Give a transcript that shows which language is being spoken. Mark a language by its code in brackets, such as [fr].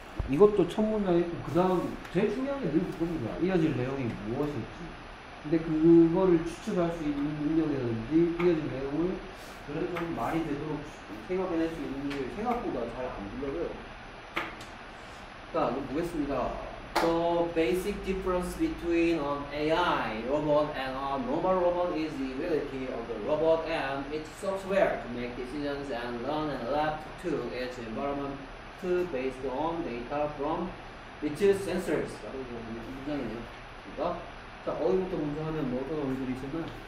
[ko] 이것도 첫 문장에 있고 그 다음 제일 중요한 게늘 그겁니다. 이어질 내용이 무엇일지. 근데 그거를 추측할 수 있는 능력이라든지 이어질 내용을 그래도 좀 말이 되도록 생각해낼 수 있는 게 생각보다 잘안 들려요. 자, 한번 보겠습니다. [en] The basic difference between an AI robot and a normal robot is the ability of the robot and its software to make decisions and learn and adapt to its environment based on data from its sensors. [ko] 라고 보는 문장이에요. 그러니까 자, 어디부터 먼저 하면 뭐 어떤 어휘들이 있었나요?